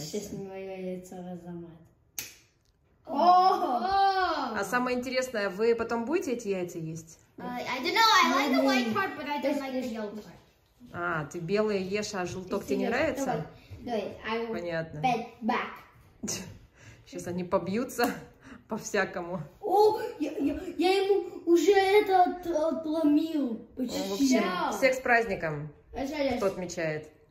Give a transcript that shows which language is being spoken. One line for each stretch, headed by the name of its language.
Russian: Сейчас не моё яйцо разломать. А самое интересное, вы потом будете эти яйца есть?
English: I don't know, I like the white part, but I don't like the yellow part.
Russian: А, ты белые ешь, а желток тебе не нравится? Давай. Понятно. Bed back. Сейчас они побьются по-всякому. О, я ему уже это отломил. Почти. В общем, всех с праздником, кто отмечает.